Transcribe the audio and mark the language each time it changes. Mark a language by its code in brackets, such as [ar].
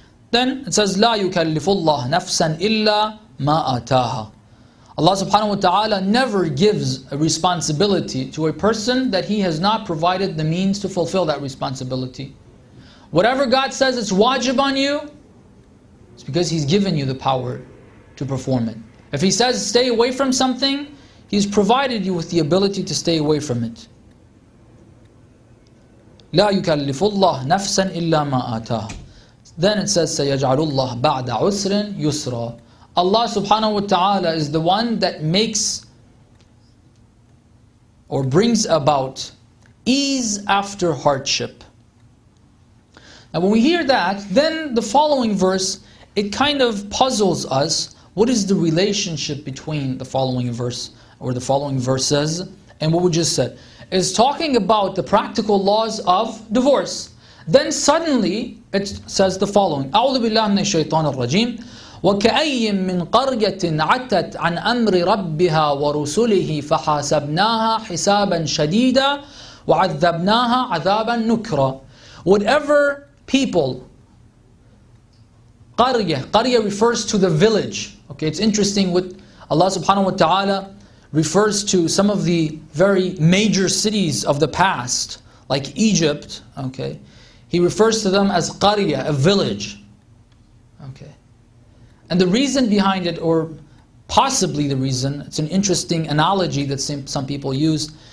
[en] Then it says, [ar] لَا يُكَلِّفُ اللَّهُ نَفْسًا إِلَّا مَا آتَاهَا [en] Allah subhanahu wa ta'ala never gives a responsibility to a person that he has not provided the means to fulfill that responsibility. Whatever God says it's wajib on you, it's because He's given you the power to perform it. If He says stay away from something, He's provided you with the ability to stay away from it. [ar] لا يكلف الله نفسا إلا ما آتاه. [en] Then it says [ar] سيجعل الله بعد عسر يسرا. [en] Allah subhanahu wa ta'ala is the one that makes or brings about ease after hardship. Now when we hear that, then the following verse, it kind of puzzles us. What is the relationship between the following verse or the following verses and what we just said? It's talking about the practical laws of divorce. Then suddenly it says the following, [ar] أعوذ بالله من الشيطان الرجيم وَكَأَيِّمْ مِنْ قَرْيَةٍ عَتَتْ عَنْ أَمْرِ رَبِّهَا وَرُسُلِهِ فَحَاسَبْنَاهَا حِسَابًا شَدِيدًا وَعَذَّبْنَاهَا عَذَابًا نُكْرًا [en] Whatever people, [ar] قَرْيَة [en] refers to the village. Okay, it's interesting what Allah subhanahu wa ta'ala refers to some of the very major cities of the past, like Egypt, okay. He refers to them as قَرْيَة, a village. Okay. And the reason behind it, or possibly the reason, it's an interesting analogy that some people use.